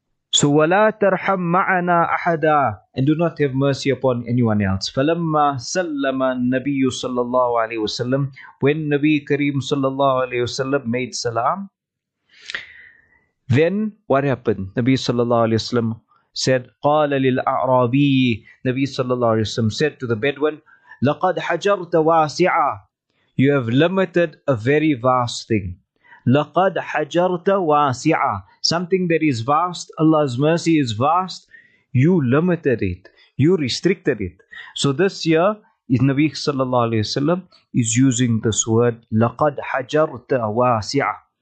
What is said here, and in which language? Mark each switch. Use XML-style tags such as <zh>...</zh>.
<en>So,</en> <ar>وَلَا تَرْحَمْ مَعَنَا أَحَدًا.</ar> <en>And do not have mercy upon anyone else.</en> <ar>فَلَمَّا سَلَّمَ النَّبِيُّ صَلَّى اللَّهُ عَلَيْهُ وَسَلَّمْ.</ar> <en>When Nabi Kareem صَلَّى اللَّهُ عَلَيْهُ وَسَلَّمْ made salam, then what happened?</en> <ar>Nabi صَلَّى اللَّهُ عَلَيْهُ وَسَلَّمْ said, قَالَ لِلْأَعْرَابِيِّ.</ar> <en>Nabi صَلَّى اللَّهُ عَلَيْهُ وَسَلَّمْ said to the Bedouin,</en> <ar>لَقَدْ حَجَرْتَ وَاسِعًا.</ar> <en>You have limited a very vast thing.</en> <ar>لَقَدْ حَجَرْتَ وَاسِعًا.</ar> <en>Something that is vast, Allah's mercy is vast. You limited it. You restricted it. So this year, is Nabi sallallahu alayhi wasallam is using this word,</en> <ar>لَقَدْ حَجَرْتَ وَاسِعًا.</ar>